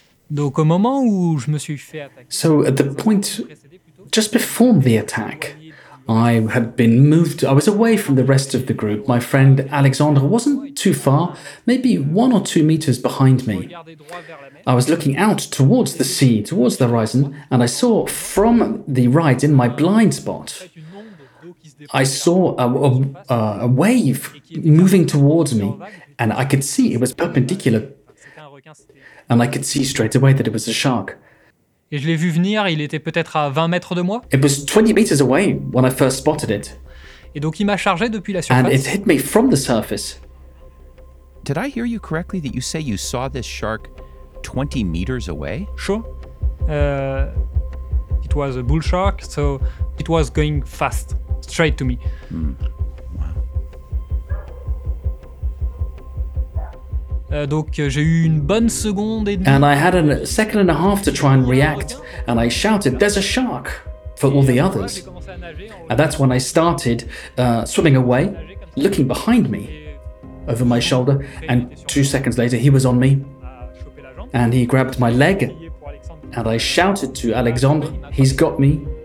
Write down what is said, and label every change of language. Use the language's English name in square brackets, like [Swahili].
[French] Donc au moment où je me suis fait attaquer... [English] So at the point, just before the attack, I had been moved, I was away from the rest of the group. My friend Alexandre wasn't too far, maybe 1 or 2 meters behind me. I was looking out towards the sea, towards the horizon, and I saw from the right in my blind spot, I saw a wave moving towards me, and I could see it was perpendicular, and I could see straight away that it was a shark. [French] Et je l'ai vu venir, il était peut-être à 20 mètres de moi. [English] It was 20 meters away when I first spotted it. [French] Et donc il m'a chargé depuis la surface. [English] And it hit me from the surface. Did I hear you correctly that you say you saw this shark 20 meters away? Sure. It was a bull shark, so it was going fast, straight to me. Mm. Wow. [French] Donc j'ai eu une bonne seconde et demie. [English] And I had a second and a half to try and react, and I shouted, "There's a shark!" for all the others. And that's when I started swimming away, looking behind me, over my shoulder, and 2 seconds later he was on me. And he grabbed my leg, and I shouted to Alexandre, "He's got me.